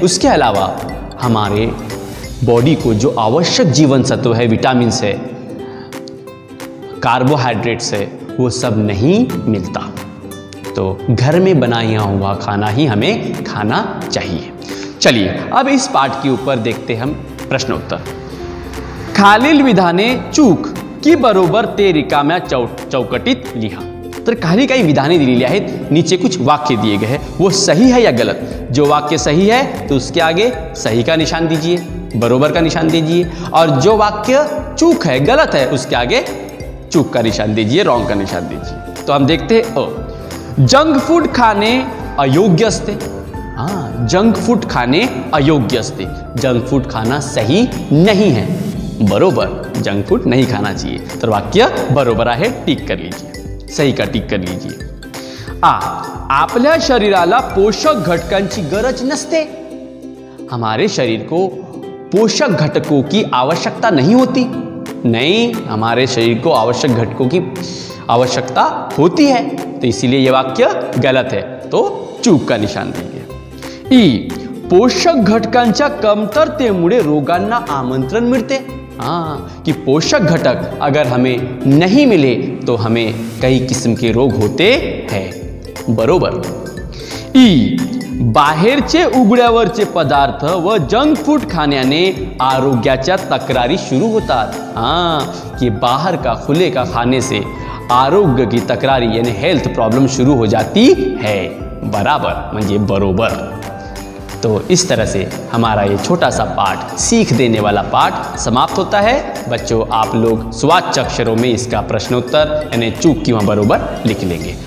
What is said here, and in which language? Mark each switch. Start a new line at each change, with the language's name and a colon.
Hindi: उसके अलावा हमारे बॉडी को जो आवश्यक जीवन सत्व है, विटामिन है, कार्बोहाइड्रेट्स है, वो सब नहीं मिलता. तो घर में बनाया हुआ खाना ही हमें खाना चाहिए. चलिए अब इस पाठ के ऊपर देखते हम प्रश्न उत्तर.
Marathi: खालील विधाने चूक की बरोबर ते रिकाम्या चौकटीत लिहा. तर काही काही विधाने दिलेली आहेत,
Hindi: नीचे कुछ वाक्य दिए गए हैं, वो सही है या गलत. जो वाक्य सही है तो उसके आगे सही का निशान दीजिए, बरोबर का निशान दीजिए, और जो वाक्य चूक है, गलत है, उसके आगे चूक का निशान दीजिए, रॉन्ग का निशान दीजिए. तो हम देखते हैं जंक फूड खाने अयोग्यस्ते. हाँ, जंक फूड खाने अयोग्यस्ते, जंक फूड खाना सही नहीं है. बरोबर, जंक फूड नहीं खाना चाहिए. तो
Marathi: वाक्य बरोबर आहे,
Hindi: टिक कर लीजिए, सही का टिक कर लीजिए.
Marathi: आपल्या शरीराला पोषक घटकांची गरज नसते.
Hindi: हमारे शरीर को पोषक घटकों की आवश्यकता नहीं होती. नहीं, हमारे शरीर को आवश्यक घटकों की आवश्यकता होती है, तो इसीलिए यह वाक्य गलत है. तो चूक का निशान देंगे.
Marathi: ई, पोषक घटकांच्या कमतरतेमुळे रोगांना आमंत्रण मिळते.
Hindi: हाँ, कि पोषक घटक अगर हमें नहीं मिले तो हमें कई किस्म के रोग होते हैं.
Marathi: बरोबर. ई, बाहेरचे उघड्यावरचे पदार्थ व जंक फूड खाण्याने आरोग्याच्या तक्रारी शुरू होतात.
Hindi: हाँ, कि बाहर का खुले का खाने से आरोग्य की तक्रारी यानी हेल्थ प्रॉब्लम शुरू हो जाती है. बराबर, म्हणजे बरोबर. तो इस तरह से हमारा ये छोटा सा पाठ, सीख देने वाला पाठ समाप्त होता है. बच्चों आप लोग स्वाच्य अक्षरों में इसका प्रश्नोत्तर यानी चूक की वहाँ बरोबर लिख लेंगे.